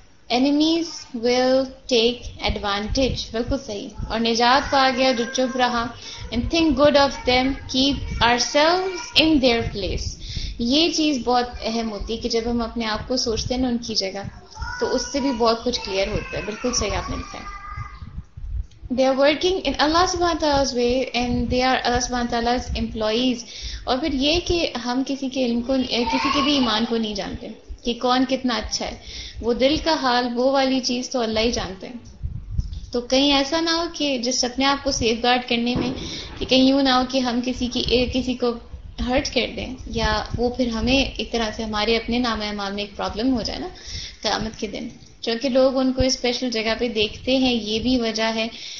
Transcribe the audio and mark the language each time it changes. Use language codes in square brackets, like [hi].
[en] enemies will take advantage, [hi] बिल्कुल सही। और निजात पा गया जो चुप रहा, [en] and think good of them, keep ourselves in their place, [hi] ये चीज बहुत अहम होती है कि जब हम अपने आप को सोचते हैं ना उनकी जगह, तो उससे भी बहुत कुछ क्लियर होता है। बिल्कुल सही आपने लिखा है। [en] They are working in Allah subhanahu wa ta'ala's way and they are Allah subhanahu wa ta'ala's employees. [hi] और फिर ये कि हम किसी के इल्म को, किसी के भी ईमान को नहीं जानते कि कौन कितना अच्छा है, वो दिल का हाल वो वाली चीज तो अल्लाह ही जानते हैं। तो कहीं ऐसा ना हो कि जिस अपने आप को सेफ गार्ड करने में, कि कहीं यूं ना हो कि हम किसी को हर्ट कर दें या वो फिर हमें एक तरह से हमारे अपने नाम अमाल में एक प्रॉब्लम हो जाए ना क़यामत के दिन, क्योंकि लोग उनको स्पेशल जगह पे देखते हैं, ये भी वजह है।